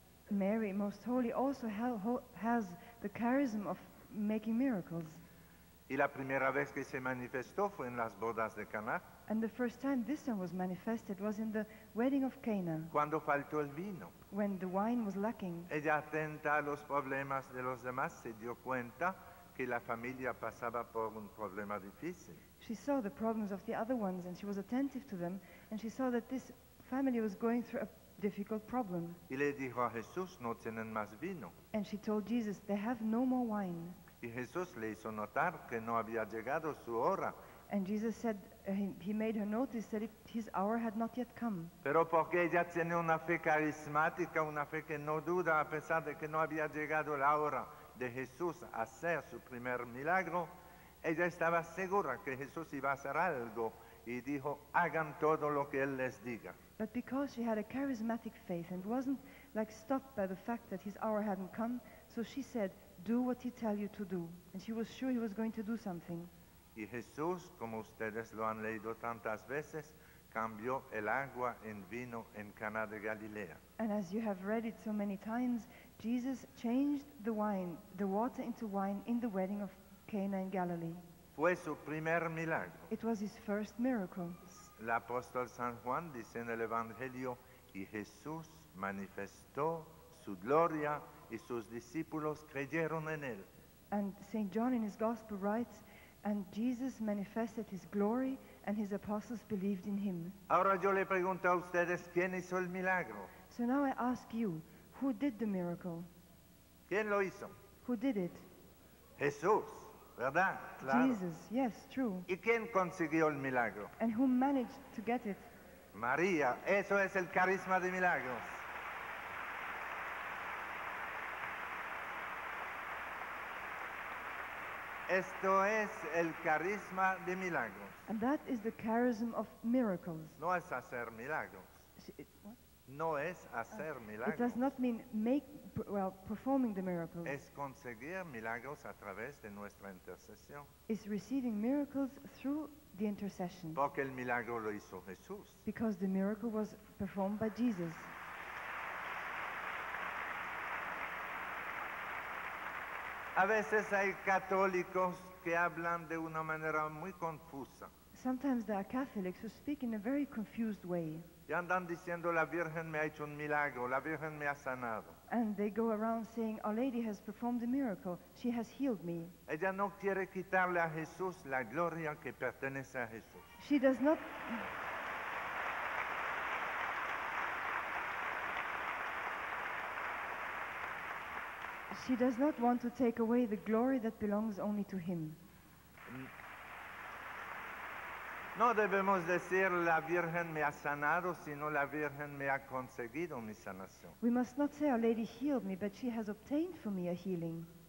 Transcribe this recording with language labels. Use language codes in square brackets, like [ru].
[en] Mary, most holy, also has the charism of making miracles. [es] Y la primera vez que se manifestó fue en las bodas de Cana. [en] And the first time this one was manifested was in the wedding of Cana. [es] Cuando faltó el vino. [en] When the wine was lacking. [es] Ella atenta a los problemas de los demás se dio cuenta que la familia pasaba por un problema difícil. [en] She saw the problems of the other ones and she was attentive to them and she saw that this family was going through a difficult problem. [es] Y le dijo a Jesús, no tienen más vino. [en] And she told Jesus, they have no more wine. [es] Y Jesús le hizo notar que no había llegado su hora. [en] And Jesus said, he made her notice that his hour had not yet come. [es] Pero porque ella tiene una fe carismática, una fe que no duda, a pesar de que no había llegado la hora de Jesús hacer su primer milagro, ella estaba segura que Jesús iba a hacer algo y dijo, hagan todo lo que él les diga. [en] But because she had a charismatic faith and wasn't like stopped by the fact that his hour hadn't come, so she said, do what he tell you to do. And she was sure he was going to do something. [es] Y Jesús, como ustedes lo han leído tantas veces, cambió el agua en vino en Cana de Galilea. [en] And as you have read it so many times, Jesus changed the wine, the water into wine in the wedding of Cana in Galilee. [es] Fue su primer milagro. [en] It was his first miracle. [es] El apóstol San Juan dice en el Evangelio, y Jesús manifestó su gloria y sus discípulos creyeron en él. [en] And St. John in his Gospel writes, and Jesus manifested his glory and his apostles believed in him. [es] Ahora yo le pregunto a ustedes, ¿quién hizo el milagro? [en] So now I ask you, who did the miracle? [es] ¿Quién lo hizo? [en] Who did it? [es] Jesús, ¿verdad? Claro. [en] Jesus, yes, true. [es] ¿Y quién consiguió el milagro? [en] And who managed to get it? [es] María, eso es el carisma de milagros. Esto es el carisma de milagros. [en] And that is the charism of miracles. [es] No es hacer milagros. No es hacer milagros. [en] It does not mean performing the miracles. [es] Es conseguir milagros a través de nuestra intercesión. [en] It's receiving miracles through the intercession. [es] Porque el milagro lo hizo Jesús. [en] Because the miracle was performed by Jesus. [es] A veces hay católicos que hablan de una manera muy confusa. [en] Sometimes there are Catholics who speak in a very confused way. [es] Y andan diciendo, la Virgen me ha hecho un milagro, la Virgen me ha sanado. [en] And they go around saying, Our Lady has performed a miracle, she has healed me. [es] Ella no quiere quitarle a Jesús la gloria que pertenece a Jesús. [en] She does not... She does not want to take away the glory that belongs only to him. [es] No debemos decir la Virgen me ha sanado, sino la Virgen me ha conseguido mi sanación. [en] We must not say Our Lady healed me, but she has obtained for me a healing.